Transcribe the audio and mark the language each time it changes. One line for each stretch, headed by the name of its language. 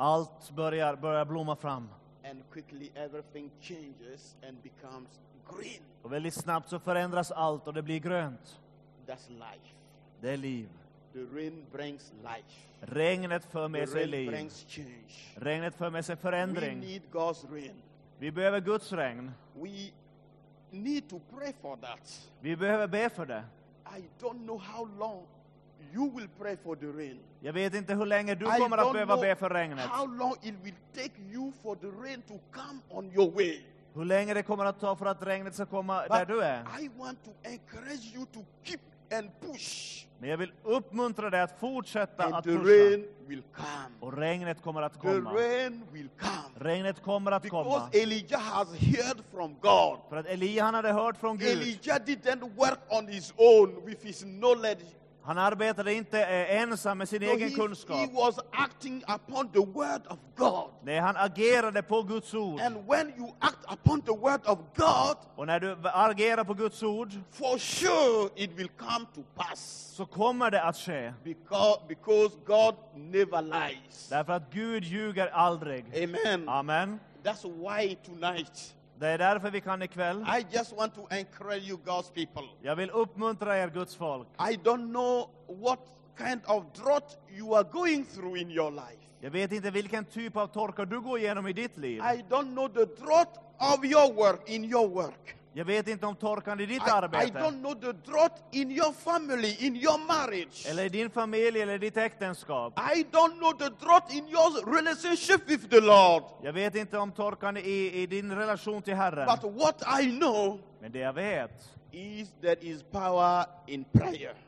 Swedish: Allt börjar blomma fram.
English: And quickly everything changes and becomes green.
Swedish: Och väldigt snabbt så förändras allt och det blir grönt.
English: That's life.
Swedish: Det är liv.
English: The rain brings life.
Swedish: Regnet för med sig liv.
English: The rain brings change.
Swedish: Regnet för med sig förändring.
English: We need God's rain.
Swedish: Vi behöver Guds regn.
English: We need to pray for that.
Swedish: Vi behöver be för det.
English: I don't know how long you will pray for the rain.
Swedish: Jag vet inte hur länge du kommer att behöva be för regnet.
English: How long it will take you for the rain to come on your way.
Swedish: Hur länge det kommer att ta för att regnet ska komma
English: but
Swedish: där du är.
English: I want to encourage you to keep and push.
Swedish: Men jag vill uppmuntra dig att fortsätta
English: and
Swedish: att
English: the
Swedish: pusha.
English: Rain will come.
Swedish: Och regnet kommer att
English: the
Swedish: komma.
English: The rain will come.
Swedish: Regnet kommer att
English: because
Swedish: komma.
English: Because Elijah has heard from God.
Swedish: För att Elijah hade hört från Gud.
English: Elijah didn't work on his own with his knowledge.
Swedish: Han arbetade inte ensam med sin
English: no,
Swedish: egen kunskap.
English: He was acting upon the word of God.
Swedish: Nej, han agerade på Guds ord.
English: And when you act upon the word of God,
Swedish: och när du agerar på Guds ord,
English: for sure it will come to pass.
Swedish: Så kommer det att ske.
English: Because God never lies.
Swedish: Därför att Gud ljuger aldrig. Amen. Amen.
English: That's why tonight.
Swedish: Det är därför vi kan ikväll.
English: I just want to encourage you God's people.
Swedish: Jag vill uppmuntra er Guds folk.
English: I don't know what kind of drought you are going through in your life.
Swedish: Jag vet inte vilken typ av torka du går igenom i ditt liv.
English: I don't know the drought of your work in your work.
Swedish: Jag vet inte om torkan i ditt arbete.
English: I don't know the drought in your family, in your marriage.
Swedish: Eller i din familj eller ditt äktenskap.
English: I don't know the drought in your relationship with the Lord.
Swedish: Jag vet inte om torkan i din relation till Herren.
English: But what I know,
Swedish: men det jag vet,
English: is there is power in prayer.